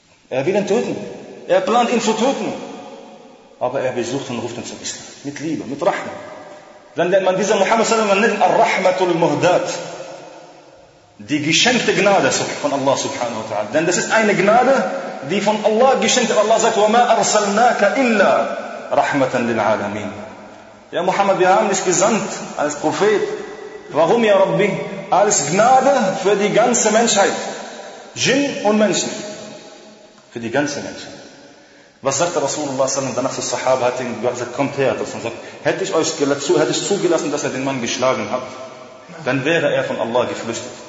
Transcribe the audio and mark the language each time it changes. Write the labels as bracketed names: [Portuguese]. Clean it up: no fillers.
[German] Er will ihn töten. Er plant ihn zu töten. Aber er besucht und ruft ihn zum Islam. Mit Liebe, mit Rahma. Dann nennt man diesen Muhammad sallallahu alaihi wasallam Ar-Rahmatul Muhdat. Die geschenkte Gnade von Allah subhanahu wa ta'ala. Denn das ist eine Gnade, die von Allah geschenkt wird. [Arabic] Allah sagt, وَمَا أَرْسَلْنَاكَ إِلَّا رَحْمَةً لِلْعَالَمِينَ. [German] Ja, Muhammad, wir haben dich gesandt als Prophet. Warum, ja Rabbi? Als Gnade für die ganze Menschheit. Jinn und Menschen. Für die ganze Menschheit. Was sagt der Rasulullah sallam danach zu Sahaba? Hat ihn gesagt, kommt her. Und sagt, hätte ich zugelassen, dass er den Mann geschlagen hat, dann wäre er von Allah geflüchtet.